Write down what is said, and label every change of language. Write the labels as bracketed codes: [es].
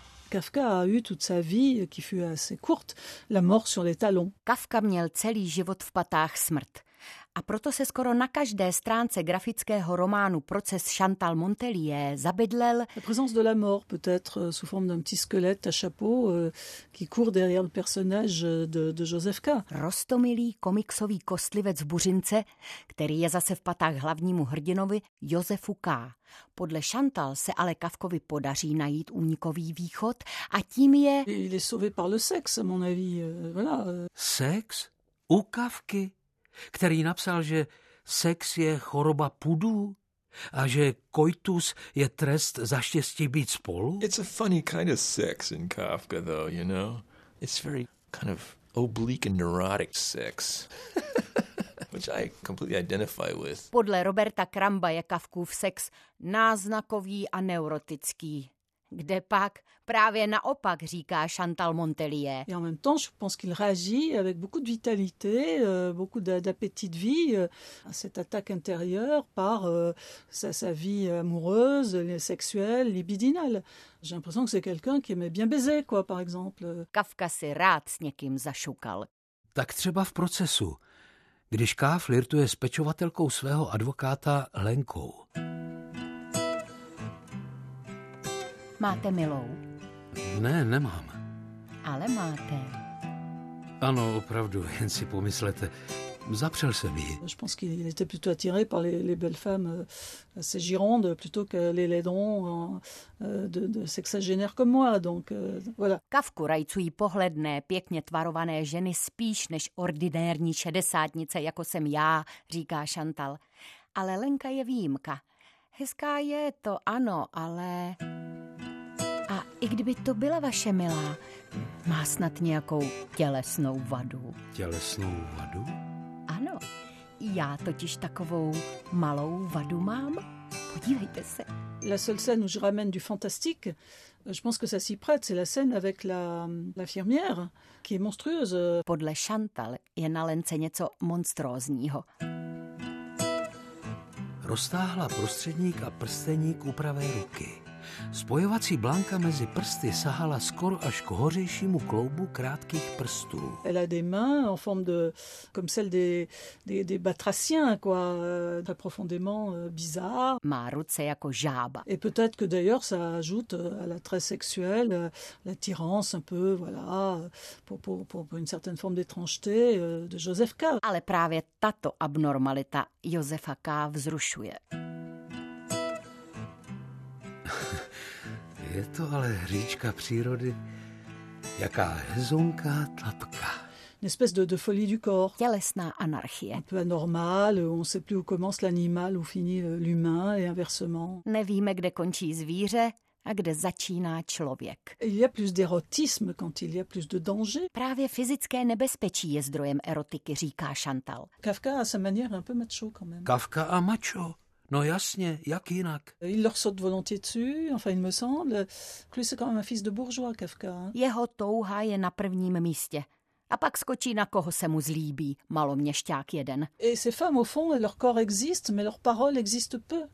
[fr] Kafka a eu toute sa vie, qui fut assez courte, la mort sur les talons. [cs] Kafka měl celý život v patách smrt. A proto se skoro na každé stránce grafického románu Proces Chantal Montelier zabydlel. La présence de la mort peut-être sous forme d'un petit squelette à chapeau qui court derrière le personnage de Joseph K. Roztomilý komiksový kostlivec v buřince, který je zase v patách hlavnímu hrdinovi Josefu K. Podle Chantal se ale Kafkovi podaří najít únikový východ a tím je... [fr] Il est sauvé par le sexe, à mon avis. Voilà. [cs] Sex? U Kafky? Který napsal, že sex je choroba pudů a že koitus je trest za štěstí být spolu. [en] It's a funny kind of sex in Kafka though, you know. It's very kind of oblique and neurotic sex. Which I completely identify with. [cs] Podle Roberta Kramba je Kafkův sex náznakový a neurotický. Kde pak? Právě naopak, říká Chantal Montelier. [fr] Et en même temps, je pense qu'il réagit avec beaucoup de vitalité, beaucoup d'appétit de vie à cette attaque intérieure par sa vie amoureuse, sexuelle, libidinale. J'ai l'impression que c'est quelqu'un qui aimait bien baiser, quoi, par exemple. [cs] Kafka si rád s někým zašukal. Tak třeba v procesu, když K. flirtuje s pečovatelkou svého advokáta Lenkou. Máte milou? Ne, nemám. Ale máte. Ano, opravdu, jen si pomyslete. Zapřel se mi. [fr] Je pense qu'il était plutôt attiré par les belles femmes assez girondes plutôt que les laidons de sexagénaire comme moi, donc voilà. [cs] Kafku rajcují pohledné, pěkně tvarované ženy spíš než ordinérní šedesátnice, jako jsem já, říká Chantal. Ale Lenka je výjimka. Hezká je to, ano, ale... A i kdyby to byla vaše milá, má snad nějakou tělesnou vadu. Tělesnou vadu? Ano, já totiž takovou malou vadu mám. Podívejte se. [fr] La seule scène où je ramène du fantastique, je pense que ça s'y prête, c'est la scène avec la infirmière, qui est monstrueuse. [cs] Podle Chantal je na Lence něco monstrózního. Roztáhla prostředník a prsteník u pravé ruky. Spojovací blanka mezi prsty sahala skoro až k hořejšímu kloubu krátkých prstů. [fr] Elle a des mains en forme de comme celle des batraciens quoi, très profondément bizarre. [cs] Má ruce jako žába. [fr] Et peut-être que d'ailleurs ça ajoute à l'attrait sexuel, l'attirance un peu voilà, pour une certaine forme d'étrangeté de Joseph K. [cs] Ale právě tato abnormalita Josefa K. vzrušuje. Je to ale hříčka přírody. Jaká hezonká tlapka. [fr] Une espèce de folie du corps. [cs] Tělesná anarchie. [fr] Un peu anormal, on ne sait plus où commence l'animal, où finit l'humain et inversement. [cs] Nevíme, kde končí zvíře a kde začíná člověk. [fr] Il y a plus d'érotisme quand il y a plus de danger. [cs] Právě fyzické nebezpečí je zdrojem erotiky, říká Chantal. [fr] Kafka a sa manière un peu macho quand même. [cs] Kafka a macho. No jasně, jak jinak? [fr] Il leur saute volontiers dessus, enfin il me semble. Plus c'est quand même un fils de bourgeois, Kafka. [cs] Jeho touha je na prvním místě. A pak skočí na koho se mu zlíbí, maloměšťák jeden. [fr] Et ces femmes au fond, leur corps existe, mais leur parole existe peu.